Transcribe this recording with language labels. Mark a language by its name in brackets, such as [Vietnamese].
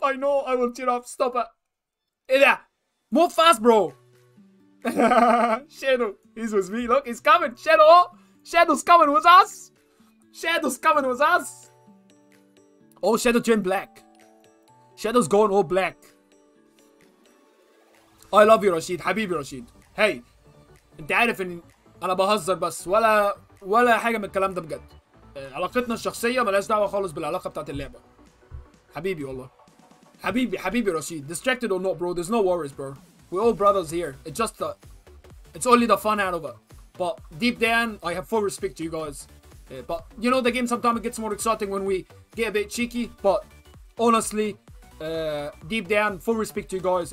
[English] I know I will tear up. Stop it. Hey there. Move fast, bro. Shadow, he's with me. Look, he's coming. Shadow. Shadow's coming with us. Shadow's coming with us. Oh, Shadow turned black. Shadow's going all black. I love you, Rashid. Habibi Rashid. Hey. [Arabic] انت عارف ان انا بهزر بس ولا حاجة من الكلام ده بجد. علاقتنا الشخصية ملاش دعوة خالص بالعلاقة بتاعت اللعبة. حبيبي والله. [English] حبيبي Rashid. Distracted or not, bro. There's no worries, bro. We're all brothers here. It's only the fun out of it. But deep down, I have full respect to you guys. But you know, the game sometimes gets more exciting when we get a bit cheeky. But honestly, deep down, full respect to you guys.